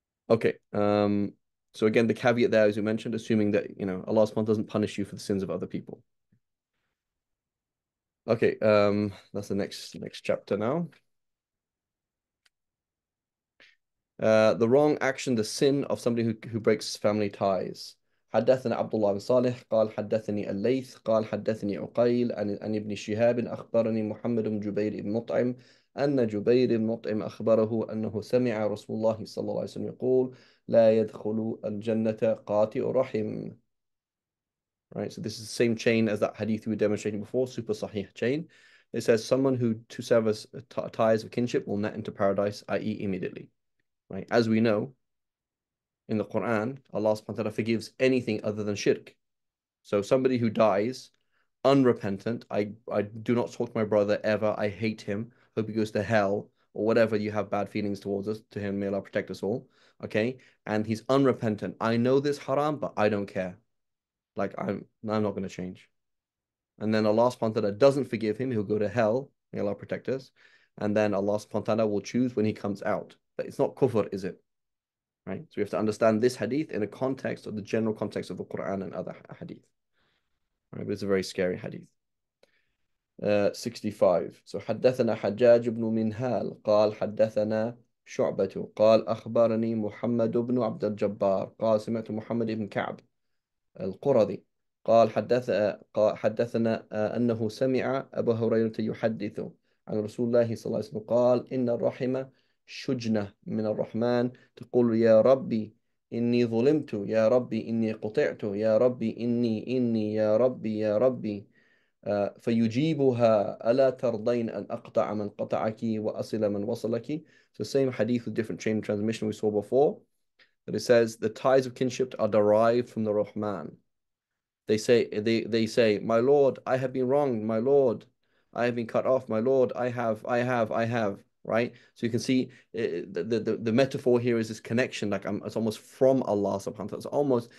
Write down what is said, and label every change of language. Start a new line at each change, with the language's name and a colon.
English: Okay. So again, the caveat there, as you mentioned, assuming that, Allah SWT doesn't punish you for the sins of other people. Okay. That's the next chapter now. The wrong action, the sin of somebody who breaks family ties.
Arabic: حدثنا عبد الله بن صالح قال حدثني الليث قال حدثني عقيل عن ابن شهاب أخبرني محمد بن جبير بن مطعم أن جبير بن مطعم أخبره أنه سمع رسول الله صلى الله عليه وسلم يقول لا يدخل الجنة قاطع رحم.
English: Right, so this is the same chain as that hadith we were demonstrating before, super sahih chain. It says someone who to severs ties of kinship will net into paradise, i.e. immediately. Right, as we know, in the Quran, Allah subhanahu wa ta'ala forgives anything other than shirk. So somebody who dies unrepentant, I do not talk to my brother ever, I hate him, hope he goes to hell, or whatever, you have bad feelings towards us, to him, may Allah protect us all, okay? And he's unrepentant. I know this haram, but I don't care. Like, I'm not going to change. And then Allah subhanahu wa ta'ala doesn't forgive him, he'll go to hell, may Allah protect us. And then Allah subhanahu wa ta'ala will choose when he comes out. But it's not kufr, is it? Right, so we have to understand this hadith in a context of the general context of the Quran and other hadith. Right, but it's a very scary hadith. 65. So
Arabic: حدثنا حجاج بن منهل قال حدثنا شعبة قال أخبرني محمد بن عبد الجبار قال سمعت محمد بن كعب القرظي قال حدثنا أنه سمع أبو هريرة يحدث عن رسول الله صلى الله عليه وسلم قال إن الرحمة شجنة من الرحمن تقول يا ربي إني ظلمت يا ربي إني قطعت يا ربي إني إني يا ربي يا ربي فيجيبها ألا ترضين أن أقطع من قطعك وأصل من وصلك.
English: So same hadith with different chain transmission we saw before, but it says the ties of kinship are derived from the Rahman. They say my lord, I have been wronged, my lord, I have been cut off, my lord, I have, right? So you can see the metaphor here is this connection, like it's almost from Allah subhanahu wa ta'ala.